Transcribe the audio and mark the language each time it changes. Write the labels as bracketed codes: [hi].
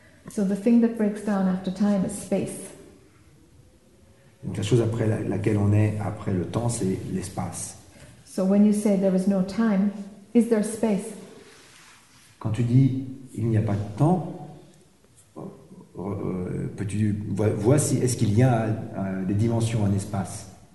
[en] So the thing that breaks down after time is space. [fr] Donc la chose après laquelle on est après le temps, c'est l'espace. [en] So when you say there is no time, is there space? [fr] Quand tu dis il n'y a pas de temps, peux-tu voir si est-ce qu'il y a des dimensions en espace?